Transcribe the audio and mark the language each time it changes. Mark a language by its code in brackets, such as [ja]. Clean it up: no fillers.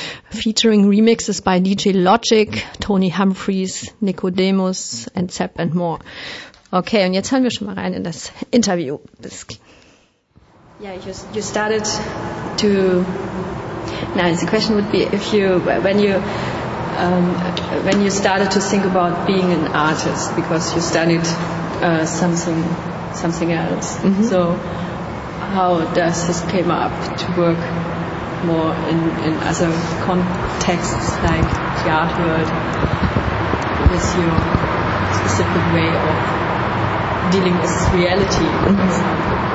[en] Featuring remixes by DJ Logic, Tony Humphries, Nicodemus and Zepp and more. [de] Okay, und jetzt hören wir schon mal rein in das Interview. [en] Yeah, you started to. Now the question would be when you started to think about being an artist, because you studied something else. Mm-hmm. So how does this came up to work more in other contexts, like the art world, with your specific way of dealing with reality?